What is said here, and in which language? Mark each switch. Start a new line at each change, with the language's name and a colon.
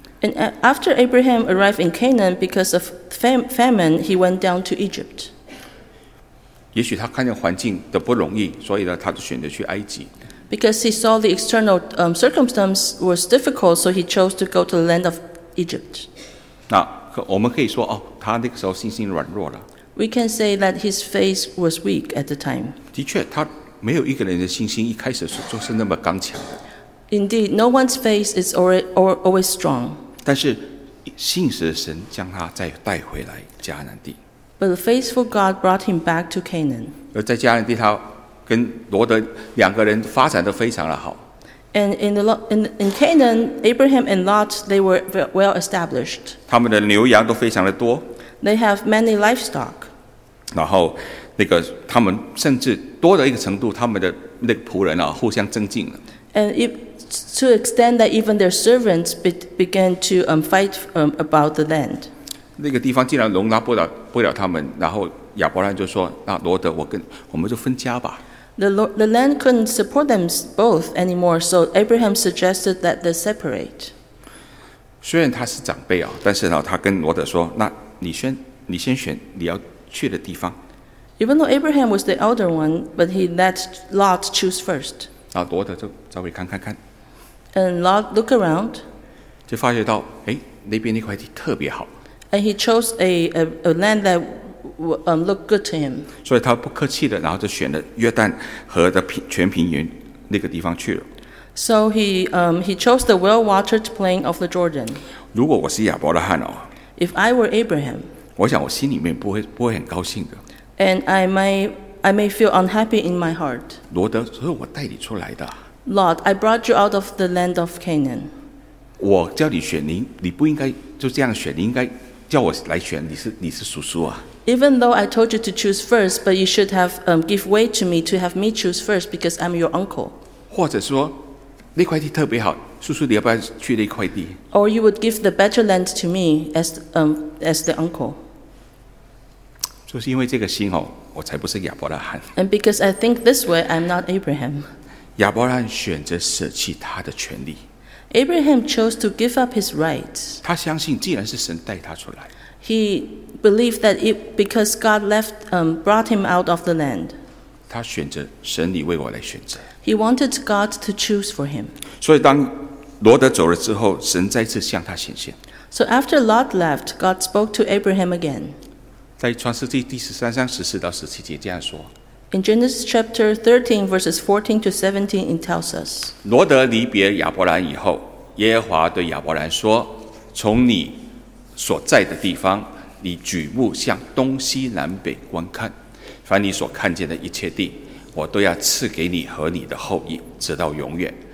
English: And after Abraham arrived in Canaan because of famine, he went down to Egypt.
Chinese: 也许他看见环境的不容易，所以呢，他就选择去埃及。
English: Because he saw the external circumstance was difficult, so he chose to go to the land of Egypt.
Chinese: 那我们可以说哦，他那个时候信心软弱了。
English: We can say that his faith was weak at the time.
Chinese: 的确，他没有一个人的信心一开始就是那么刚强的。
English: Indeed, no one's faith is always strong.
Chinese: 但是，信实的神将他再带回来迦南地。
English: But the faithful God brought him back to Canaan.
Chinese: 而在迦南地，他跟罗德两个人发展得非常的好。
English: And in Canaan, Abraham and Lot they were well established.
Chinese: 他们的牛羊都非常的多。
English: They have many livestock.
Chinese: 然后，那个他们甚至多的一个程度，他们的那个仆人啊，互相增进了。
English: And if to extend that even their servants began to fight about the land.
Chinese: 那个地方竟然容纳不了他们，然后亚伯兰就说：“那罗德，我们就分家吧。”
English: The land couldn't support them both anymore, so Abraham suggested that they separate.
Chinese: 虽然他是长辈啊，但是呢，他跟罗德说：“那。” 你先选你要去的地方。
English: Even though Abraham was the elder one, but he let Lot choose first.
Chinese: 啊，罗德就稍微看。
English: And Lot looked around.
Chinese: 就发觉到，哎，那边那块地特别好。
English: And he chose a land that looked good to him.
Chinese: 所以他不客气的，然后就选了约旦河的全平原那个地方去了。
English: So he chose the well-watered plain of the Jordan.
Chinese: 如果我是亚伯拉罕哦。
English: If I were Abraham,
Chinese: 我想我心里面不会很高兴的。
English: And I may feel unhappy in my heart.
Chinese: 罗德，所以我带你出来的。
English: Lot, I brought you out of the land of Canaan.
Chinese: 我叫你选您，你不应该就这样选，你应该叫我来选，你是叔叔啊。
English: Even though I told you to choose first, but you should have give way to me to have me choose first because I'm your uncle.
Chinese: 或者说，那块地特别好，叔叔你要不要去那块地
English: ？Or you would give the better land to me as the uncle.
Chinese: 就是因为这个心哦，我才不是亚伯拉罕。
English: And because I think this way, I'm not Abraham.
Chinese: 亚伯拉罕选择舍弃他的权利。
English: Abraham chose to give up his rights.
Chinese: 他相信，既然是神带他出来。
English: He believed that it because God left brought him out of the land.
Chinese: 他选择神，你为我来选择。
English: He wanted God to choose for him.
Chinese: 所以当罗德走了之后，神再次向他显现。
English: So after Lot left, God spoke to Abraham again.
Chinese: 在创世纪第十三章十四到十七节这样说。
English: In Genesis chapter 13, verses 14 to 17, it tells us.
Chinese: 罗德离别亚伯兰以后，耶和华对亚伯兰说：“从你所在的地方，你举目向东西南北观看，凡你所看见的一切地，我都要赐给你和你的后裔，直到永远。